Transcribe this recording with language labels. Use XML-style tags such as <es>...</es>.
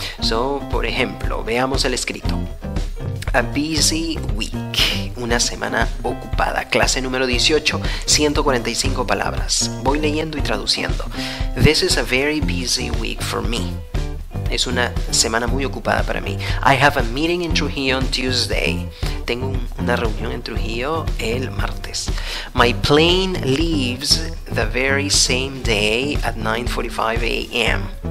<es>So, por ejemplo, veamos el escrito.</es> <en>A busy week.</en> <es>Una semana ocupada. Clase número 18. 145 palabras. Voy leyendo y traduciendo.</es> <en>This is a very busy week for me.</en> <es>Es una semana muy ocupada para mí.</es> <en>I have a meeting in Trujillo on Tuesday.</en> <es>Tengo una reunión en Trujillo el martes.</es> <en>My plane leaves the very same day at 9:45 a.m.</en>